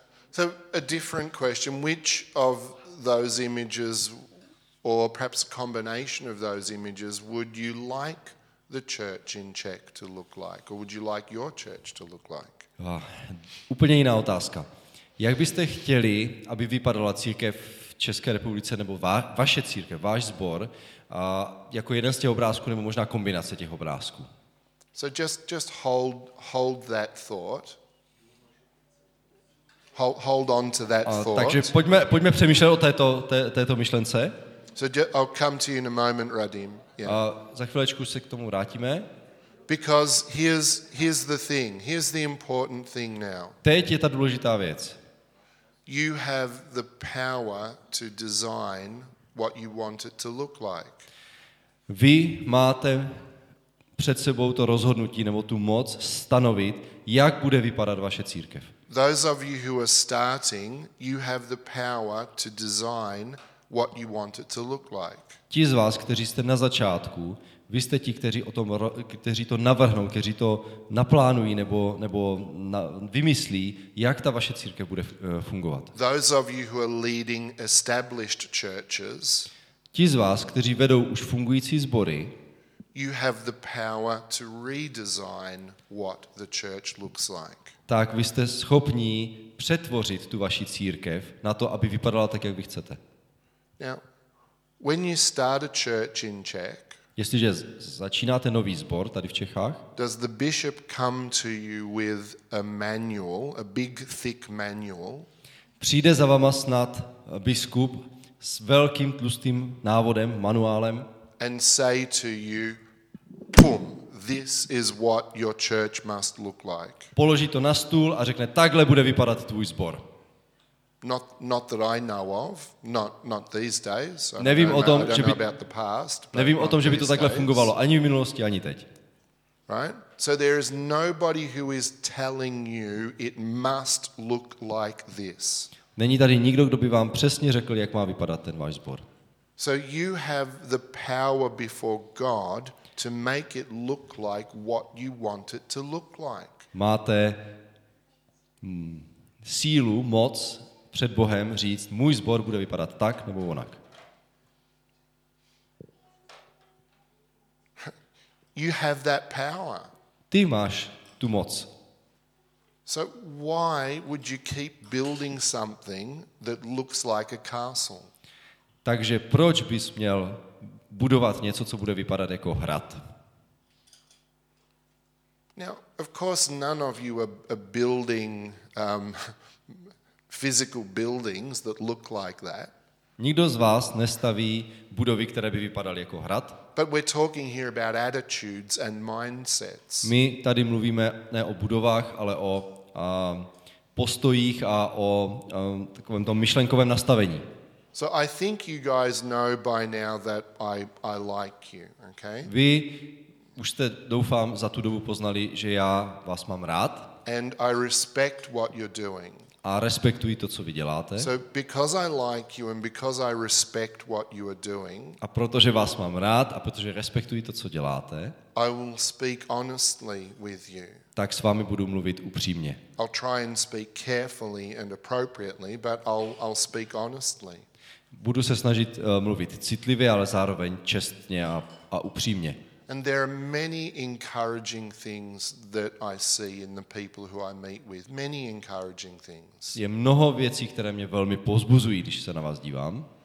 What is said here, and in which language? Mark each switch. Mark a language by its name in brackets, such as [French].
[English] So, a different question. Which of those images, or perhaps a combination of those images, would you like the church in Czech to look like? Or would you like your church to look like? [Czech] Úplně jiná otázka. Jak byste chtěli, aby vypadala církev v České republice, nebo vaše církev, váš sbor, jako jeden z těch obrázků, nebo možná kombinace těch obrázků? [English] So just hold that thought. Hold on to that thought. [Czech] Takže pojďme přemýšlet o této myšlence. [English] So I'll come to you in a moment, Radim. Yeah. [Czech] Za chvílečku se k tomu vrátíme. [English] Because here's the thing. Here's the important thing now. [Czech] Teď je ta důležitá věc. [English] You have the power to design what you want it to look like. [Czech] Vy máte před sebou to rozhodnutí nebo tu moc stanovit, jak bude vypadat vaše církev. [English] Those of you who are starting, you have the power to design what you want it to look like. [Czech] Ti z vás, kteří jste na začátku, vy jste ti, kteří to navrhnou, kteří to naplánují nebo vymyslí, jak ta vaše církev bude fungovat. [English] Those of you who are leading established churches, [Czech] Ti z vás, kteří vedou už fungující sbory, [English] you have the power to redesign what the church looks like. [Czech] Tak vy jste schopní přetvořit tu vaši církev na to, aby vypadala tak, jak vy chcete. [English] Now, when you start a church in Czech, [Czech] jestliže začínáte nový sbor tady v Čechách, [English] does the bishop come to you with a manual, a big thick manual? [Czech] Přijde za váma snad biskup s velkým tlustým návodem, manuálem, [English] and say to you, boom, this is what your church must look like. [Czech] Položí to na stůl a řekne, takhle bude vypadat tvůj sbor. [English] Not that I know of, not these days. [Czech] Nevím o tom, že by [English] about the past, [Czech] nevím o tom, že by to takhle fungovalo ani v minulosti, ani teď. [English] Right? So there is nobody who is telling you it must look like this. [Czech] Není tady nikdo, kdo by vám přesně řekl, jak má vypadat ten váš sbor. [English] So you have the power before God to make it look like what you want it to look like. [Czech] Máte sílu, moc před Bohem říct, můj sbor bude vypadat tak nebo onak. [English] You have that power. [Czech] Ty máš tu moc. [English] So why would you keep building something that looks like a castle? [Czech] Takže proč bys měl budovat něco, co bude vypadat jako hrad? [English] Now, of course, none of you are building physical buildings that look like that. [Czech] Nikdo z vás nestaví budovy, které by vypadaly jako hrad. [English] But we're talking here about attitudes and mindsets. [Czech] My tady mluvíme ne o budovách, ale o postojích a o takovém tom myšlenkovém nastavení. [English] So I think you guys know by now that I like you, okay? [Czech] Vy už jste, doufám, za tu dobu poznali, že já vás mám rád. [English] And I respect what you're doing. [Czech] A respektuji to, co vy děláte. [English] So because I like you and because I respect what you are doing. [Czech] A protože vás mám rád a protože respektuji to, co děláte. [English] I will speak honestly with you. [Czech] Tak s vámi budu mluvit upřímně. [English] I'll try and speak carefully and appropriately, but I'll speak honestly. [Czech] Budu se snažit mluvit citlivě, ale zároveň čestně a upřímně. [English] And there are many encouraging things that I see in the people who I meet with. Many encouraging things. [Czech] Je mnoho věcí, které mě velmi povzbuzují, když se na vás dívám.